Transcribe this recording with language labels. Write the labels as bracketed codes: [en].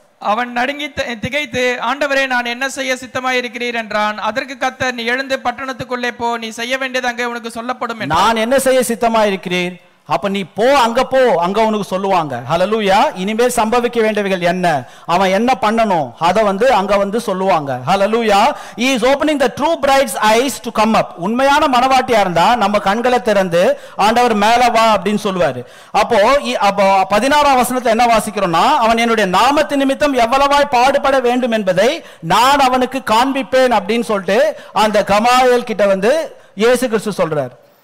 [ta] அவன் நடுங்கி திகைத்து, ஆண்டவரே நான் என்ன செய்ய சித்தமாய் இருக்கிறீர் என்றான். அதற்கு கர்த்தர், நீ எழுந்து பட்டணத்துக்குள்ளே போ, நீ செய்ய வேண்டியது அங்கே உனக்கு சொல்லப்படும் என்றான். நான் என்ன செய்ய சித்தமாய் இருக்கிறீர்? அப்ப நீ போ, அங்க போ, அங்க உனக்கு சொல்லுவாங்க. ஹல்லேலூயா. இனிமேல் சம்பவிக்க வேண்டியவைகள் என்ன, அவன் என்ன பண்ணணும், அத வந்து அங்க வந்து சொல்லுவாங்க. ஹல்லேலூயா. [en] He is opening the true bride's eyes to come up. [ta] உண்மையான மனவாட்டியா இருந்தா நம்ம கண்களை திறந்து ஆண்டவர் மேல வா அப்படின்னு சொல்லுவாரு. அப்போ 16 என்ன வாசிக்கிறோம்னா, அவன் என்னுடைய நாமத்தின் நிமித்தம் எவ்வளவாய் பாடுபட வேண்டும் என்பதை நான் அவனுக்கு காண்பிப்பேன் அப்படின்னு சொல்லிட்டு அந்த கமாயல் கிட்ட வந்து இயேசு கிறிஸ்து சொல்றார்.